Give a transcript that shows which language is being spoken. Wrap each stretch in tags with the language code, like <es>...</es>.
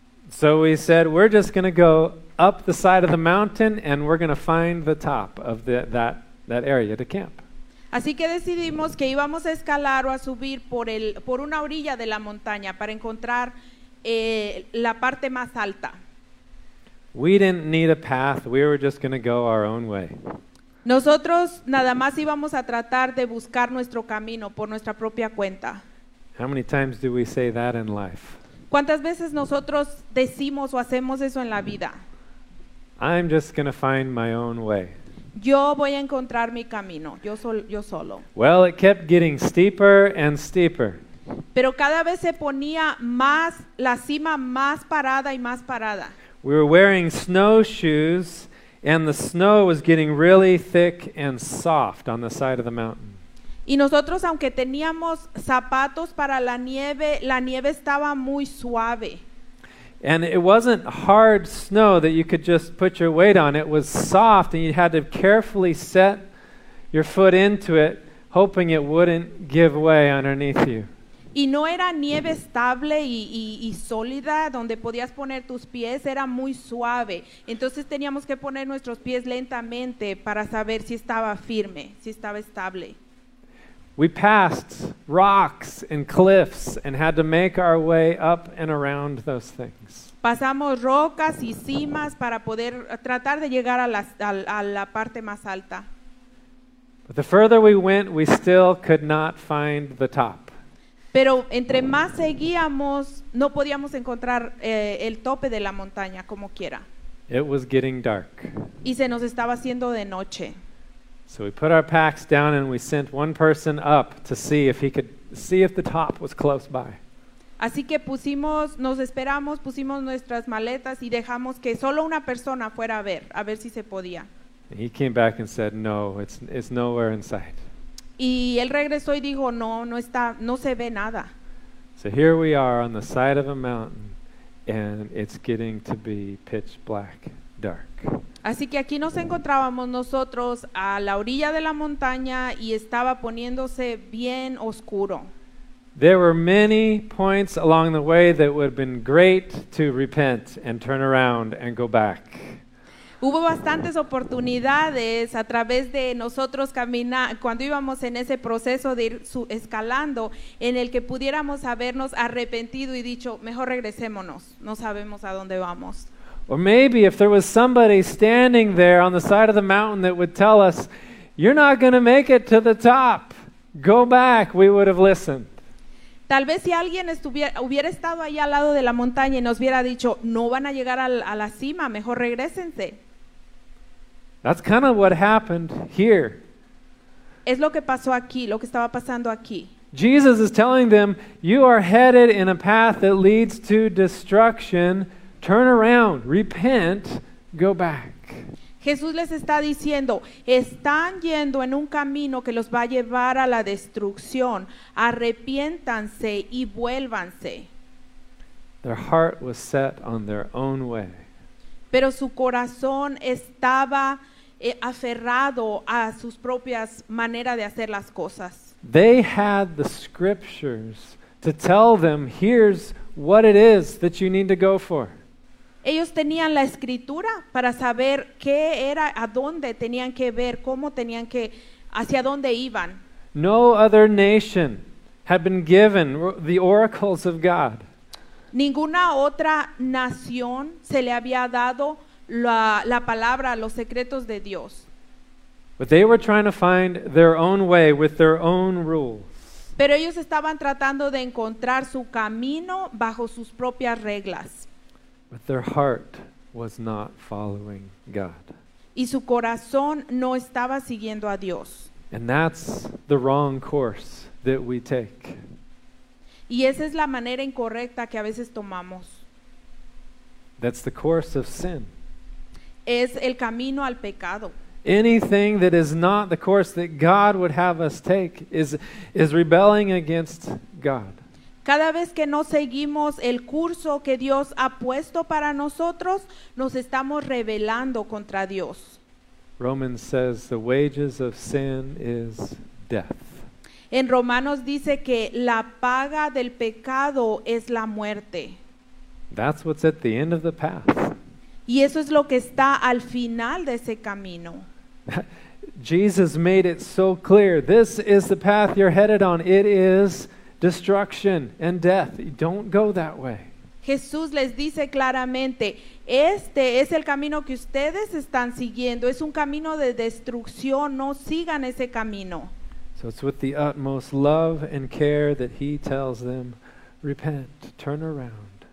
<en>So we said, we're just going to go up the side of the mountain and we're going to find the top of that area to camp.</en> <es>Así que decidimos que íbamos a escalar o a subir por una orilla de la montaña para encontrar la parte más alta.</es> <en>We didn't need a path, we were just going to go our own way.</en> <es>Nosotros nada más íbamos a tratar de buscar nuestro camino por nuestra propia cuenta.</es> <en>How many times do we say that in life?</en> <es>¿Cuántas veces nosotros decimos o hacemos eso en la vida?</es> <en>I'm just going to find my own way.</en> <es>Yo voy a encontrar mi camino, yo solo.</es> <en>Well, it kept getting steeper and steeper.</en> <es>Pero cada vez se ponía más la cima más parada y más parada.</es> <en>We were wearing snowshoes. And the snow was getting really thick and soft on the side of the mountain.</en> <es>Y nosotros, aunque teníamos zapatos para la nieve estaba muy suave.</es> <en>And it wasn't hard snow that you could just put your weight on. It was soft and you had to carefully set your foot into it, hoping it wouldn't give way underneath you.</en> <es>Y no era nieve estable y sólida donde podías poner tus pies, era muy suave. Entonces teníamos que poner nuestros pies lentamente para saber si estaba firme, si estaba estable.</es> <en>We passed rocks and cliffs and had to make our way up and around those things.</en> <es>Pasamos rocas y cimas para poder tratar de llegar a la parte más alta.</es> <en>But the further we went, we still could not find the top.</en> <es>Pero entre más seguíamos, no podíamos encontrar el tope de la montaña, como quiera.</es> <en>It was getting dark.</en> <es>Y se nos estaba haciendo de noche.</es> <en>So we put our packs down and we sent one person up to see if the top was close by.</en> <es>Así que pusimos, nos esperamos, pusimos nuestras maletas y dejamos que solo una persona fuera a ver si se podía.</es> <en>He came back and said, no, it's nowhere in sight.</en> <es>Y él regresó y dijo, no, no está, no se ve nada.</es> <en>So here we are on the side of a mountain and it's getting to be pitch black, dark.</en> <es>Así que aquí nos encontrábamos nosotros a la orilla de la montaña y estaba poniéndose bien oscuro.</es> <en>There were many points along the way that would have been great to repent and turn around and go back.</en> <es>Hubo bastantes oportunidades a través de nosotros caminar cuando íbamos en ese proceso de ir escalando en el que pudiéramos habernos arrepentido y dicho, mejor regresémonos, no sabemos a dónde vamos.</es> <en>Or maybe if there was somebody standing there on the side of the mountain that would tell us, you're not going to make it to the top, go back, we would have listened.</en> <es>Tal vez si alguien hubiera estado ahí al lado de la montaña y nos hubiera dicho, no van a llegar a la cima, mejor regrésense.</es> <en>That's kind of what happened here.</en> <es>Es lo que pasó aquí, lo que estaba pasando aquí.</es> <en>Jesus is telling them, you are headed in a path that leads to destruction. Turn around, repent, go back.</en> <es>Jesús les está diciendo, están yendo en un camino que los va a llevar a la destrucción. Arrepiéntanse y vuélvanse.</es> <en>Their heart was set on their own way.</en> <es>Pero su corazón estaba aferrado a sus propias maneras de hacer las cosas.</es> <en>They had the scriptures to tell them, here's what it is that you need to go for.</en> <es>Ellos tenían la escritura para saber qué era, a dónde tenían que ver, cómo tenían que, hacia dónde iban.</es> <en>No other nation had been given the oracles of God.</en> <es>Ninguna otra nación se le había dado la palabra, los secretos de Dios.</es> <en>But they were trying to find their own way with their own rules.</en> <es>Pero ellos estaban tratando de encontrar su camino bajo sus propias reglas.</es> <en>But their heart was not following God.</en> <es>Y su corazón no estaba siguiendo a Dios.</es> <en>And that's the wrong course that we take.</en> <es>Y esa es la manera incorrecta que a veces tomamos.</es> <en>That's the course of sin.</en> <es>Es el camino al pecado.</es> <en>Anything that is not the course that God would have us take is rebelling against God.</en> <es>Cada vez que no seguimos el curso que Dios ha puesto para nosotros, nos estamos rebelando contra Dios.</es> <en>Romans says the wages of sin is death.</en> <es>En Romanos dice que la paga del pecado es la muerte.</es> <en>That's what's at the end of the path.</en> <es>Y eso es lo que está al final de ese camino.</es> <en>Jesus made it so clear. This is the path you're headed on. It is destruction and death. Don't go that way.</en> <es>Jesús les dice claramente, este es el camino que ustedes están siguiendo. Es un camino de destrucción. No sigan ese camino.</es> <en>So it's with the utmost love and care that he tells them, repent, turn around.</en>